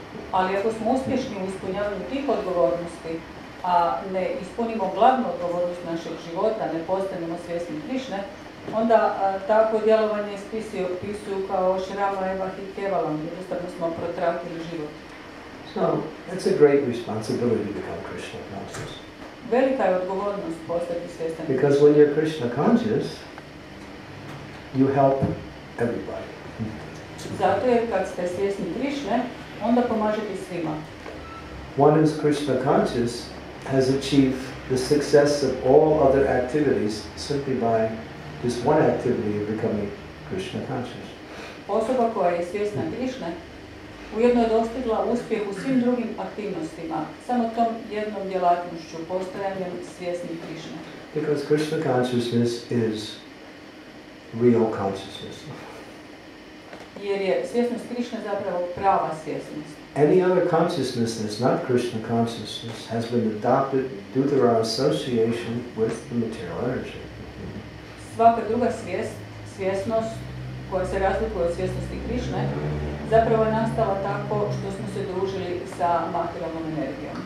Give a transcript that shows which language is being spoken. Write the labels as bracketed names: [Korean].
[Croatian] Ali ako smo uspješni u ispunjavanju tih odgovornosti, a ne ispunimo glavnu odgovornost našeg života, ne postanemo svjesni Krišne, onda takvo djelovanje spisi opisuju kao [Sanskrit] Shrama eva hi kevalam, [Croatian] jednostavno smo protratili život. [English] So, that's a great responsibility to become Krishna conscious. [Croatian] Velika je odgovornost postati svjestan Krišne. [English] Because when you're Krishna conscious, you help everybody. [Croatian] Zato jer kad ste svjesni Krišne, onda pomažete svima. [English] One is Krishna conscious has achieved the success of all other activities simply by this one activity of becoming Krishna conscious. [Croatian] Osoba koja je svjesna Krishne ujedno je dostigla uspjeh u svim drugim aktivnostima, samo tom jednom djelatnošću, postajanjem svjesni Krishne. [English] Because Krishna consciousness is real consciousness. [Croatian] Jer je svjesnost Krishne zapravo prava svjesnost. [English] Any other consciousness that's not Krishna consciousness has been adopted due to our association with the material energy. [Croatian] Svaka druga svjesnost koja se razlikuje od svjesnosti Krishne zapravo je nastala tako što smo se družili sa materijalnom energijom.